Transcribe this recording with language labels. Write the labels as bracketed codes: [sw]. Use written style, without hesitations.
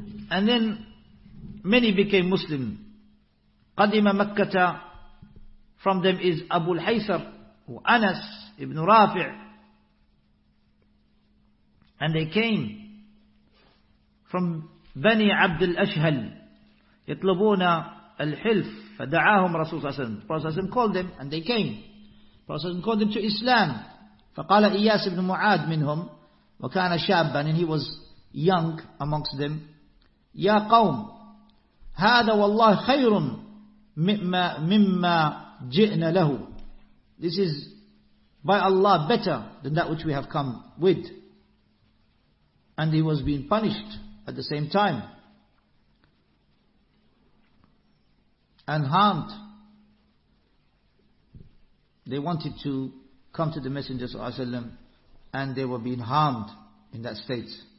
[en] And then many became Muslim. [ar] Qadima Makkata, [en] from them is Abu al-Haysar, Anas ibn Rafi', and they came from Bani Abdul Ashhal, [ar] yatlubuna al-hilf. فدعاهم رسول صلى الله عليه وسلم. [en] Prophet called them and they came. Prophet called them to Islam. [ar] فقال إياس بن معاد منهم وكان شابا, [en] and he was young amongst them. [ar] يا قوم هذا والله خير مما جئنا له. [en] This is by Allah better than that which we have come with. And he was being punished at the same time and harmed. They wanted to come to the Messenger صلى الله عليه وسلم, and they were being harmed in that state.